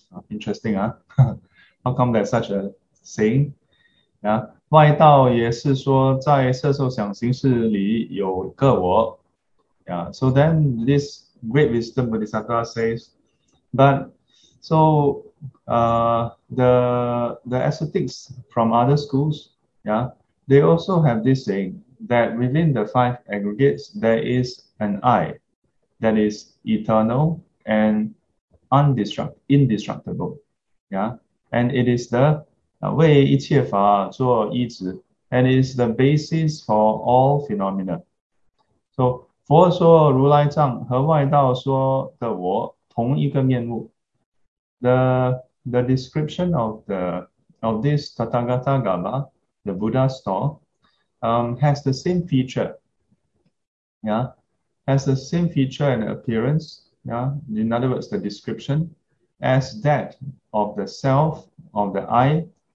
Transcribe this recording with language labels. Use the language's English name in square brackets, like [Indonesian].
[English] Interesting, huh? How come there's such a saying, [Chinese] 外道也是说，在色受想行识里有个我， [English] So then this great wisdom Bodhisattva says, but so the ascetics from other schools, they also have this saying that within the five aggregates there is an I that is eternal and indestructible, and it is the [Chinese] 为一切法作依止, [English] and is the basis for all phenomena. [Chinese] 说佛说如来藏和外道说的我同一个面目。 [English] The description of this Tathagatagarbha, the Buddha's thought, has the same feature. Yeah, has the same feature and appearance. Yeah, in other words, the description as that of the self of the I.